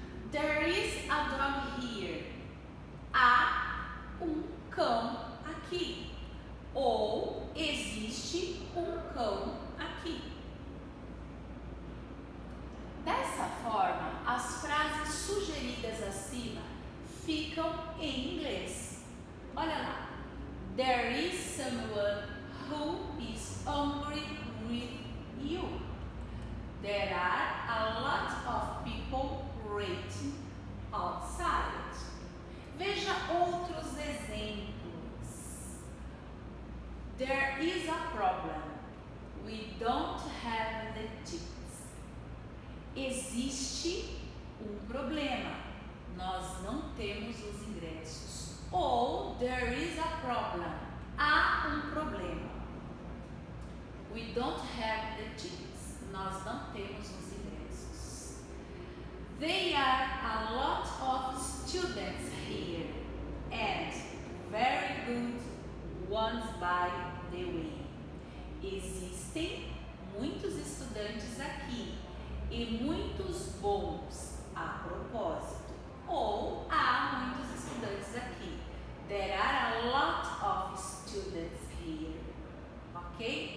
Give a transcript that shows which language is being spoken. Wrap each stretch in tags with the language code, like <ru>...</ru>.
<en>There is a dog here.</en> <pt>Há um cão aqui. Ou existe um cão aqui. Dessa forma, as frases sugeridas acima ficam em inglês. Olha lá.</pt> <en>There is someone who is hungry with you. There are a lot of people waiting outside.</en> <pt>Veja outros exemplos.</pt> <en>There is a problem. We don't have the tickets.</en> <pt>Existe um problema. Nós não temos os ingressos. Ou</pt> <en>there is a problem.</en> <pt>Há um problema.</pt> <en>We don't have the tickets.</en> <pt>Nós não temos os ingressos.</pt> <en>There are a lot of students here and very good ones by the way.</en> <pt>Existem muitos estudantes aqui e muitos bons a propósito. Ou há muitos estudantes aqui.</pt> <en>There are a lot of students here. Ok?</en>